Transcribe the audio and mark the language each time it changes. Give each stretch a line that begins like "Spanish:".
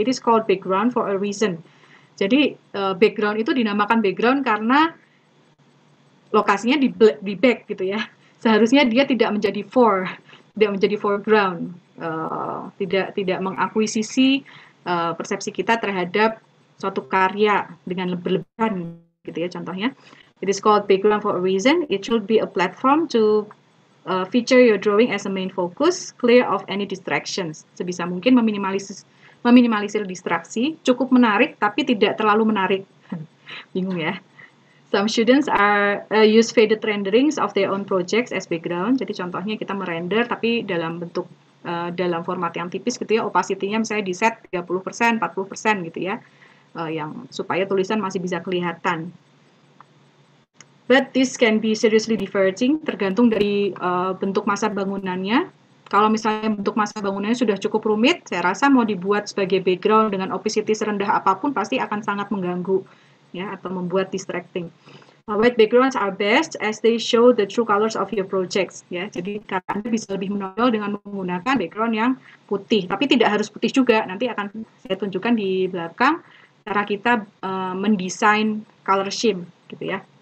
English: It is called background for a reason.
Indonesian: Jadi, background itu dinamakan background karena lokasinya di back gitu ya. Seharusnya dia tidak menjadi fore, tidak menjadi foreground. Tidak mengakuisisi persepsi kita terhadap suatu karya dengan berlebihan gitu ya contohnya.
English: It is called background for a reason. It should be a platform to feature your drawing as a main focus, clear of any distractions.
Indonesian: Sebisa mungkin meminimalisir distraksi, cukup menarik tapi tidak terlalu menarik. Bingung ya.
English: Some students are use faded renderings of their own projects as background.
Indonesian: Jadi contohnya kita merender tapi dalam bentuk dalam format yang tipis gitu ya, opacity-nya misalnya di set 30%, 40% gitu ya. Yang supaya tulisan masih bisa kelihatan.
English: But this can be seriously diverting,
Indonesian: tergantung dari bentuk masa bangunannya. Kalau misalnya bentuk masa bangunannya sudah cukup rumit, saya rasa mau dibuat sebagai background dengan opacity serendah apapun pasti akan sangat mengganggu ya, atau membuat distracting.
English: White backgrounds are best as they show the true colors of your projects.
Indonesian: Ya. Jadi Anda bisa lebih menonjol dengan menggunakan background yang putih. Tapi tidak harus putih juga, nanti akan saya tunjukkan di belakang cara kita mendesain color scheme gitu ya.